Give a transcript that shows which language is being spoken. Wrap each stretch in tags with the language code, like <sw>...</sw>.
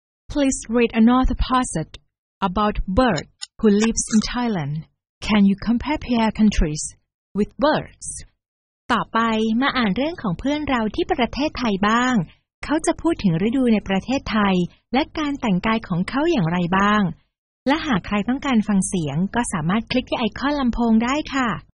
<en>Please read another passage about Bert who lives in Thailand. Can you compare Pierre's countries with Bert's?</en> <th>ต่อไปมาอ่านเรื่องของเพื่อนเราที่ประเทศไทยบ้างเขาจะพูดถึงฤดูในประเทศไทยและการแต่งกายของเขาอย่างไรบ้างและหากใครต้องการฟังเสียงก็สามารถคลิกที่ไอคอนลำโพงได้ค่ะ</th>